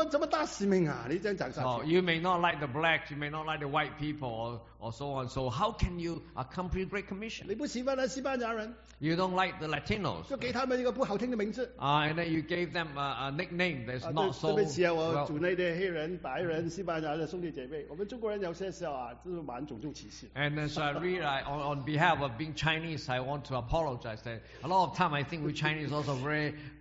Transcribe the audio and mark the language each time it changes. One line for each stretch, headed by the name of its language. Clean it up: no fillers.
English: You may not like the blacks, you may not like the white people, or so on. So how can you accomplish the Great Commission?
Chinese: 你不喜欢西班牙人,
English: you don't like the Latinos. And then you gave them a nickname that's not so...
Chinese: 对不起啊,我主内的黑人,白人,西班牙的兄弟姐妹,我们中国人有些时候啊,这是蛮种族歧视。
English: And so I really, on behalf of being Chinese, I want to apologize that a lot of time I think we Chinese also very...